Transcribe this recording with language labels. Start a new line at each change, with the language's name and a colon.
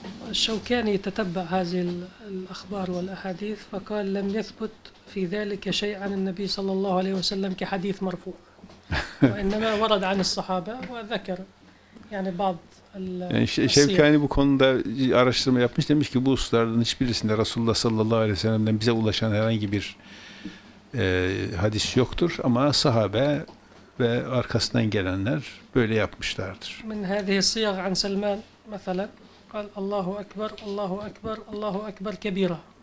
Arabic: الشوكاني تتبع هذه الأخبار والأحاديث فقال لم يثبت في ذلك شيء عن النبي صلى الله عليه وسلم كحديث مرفوع وإنما ورد عن الصحابة وذكر يعني بعض
Turkish: Şevkani bu konuda araştırma yapmış, demiş ki bu hususlardan hiçbirisinde Resulullah sallallahu aleyhi ve sellem'den bize ulaşan herhangi bir hadis yoktur ama sahabe ve arkasından gelenler böyle yapmışlardır.
Arabic: Min hâzihi sıyâh an Selman mesela قال الله أكبر الله أكبر الله أكبر كبيرة.